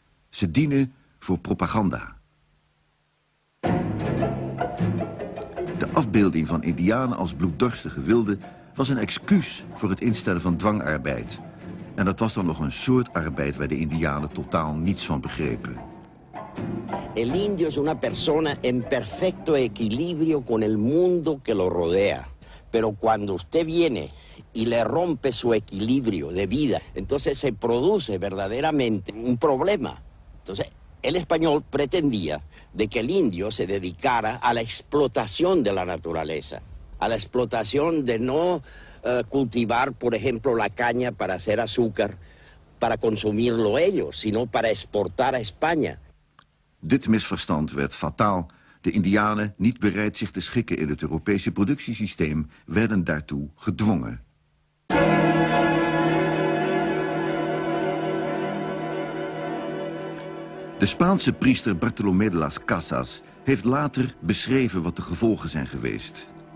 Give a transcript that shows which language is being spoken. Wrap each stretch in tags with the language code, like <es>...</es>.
<nl>Ze dienen voor propaganda. De afbeelding van Indianen als bloeddorstige wilden was een excuus voor het instellen van dwangarbeid. En dat was dan nog een soort arbeid waar de Indianen totaal niets van begrepen.</nl> <es>El indio es una persona en perfecto equilibrio con el mundo que lo rodea. Pero cuando usted viene y le rompe su equilibrio de vida, entonces se produce verdaderamente un problema. Entonces, el español pretendía de que el indio se dedicara a la explotación de la naturaleza, a la explotación de no cultivar, por ejemplo, la caña para hacer azúcar, para consumirlo ellos, sino para exportar a España.</es> <nl>Dit misverstand werd fataal. De Indianen, niet bereid zich te schikken in het Europese productiesysteem, werden daartoe gedwongen. De Spaanse priester Bartolomé de las Casas heeft later beschreven wat de gevolgen zijn geweest.</nl>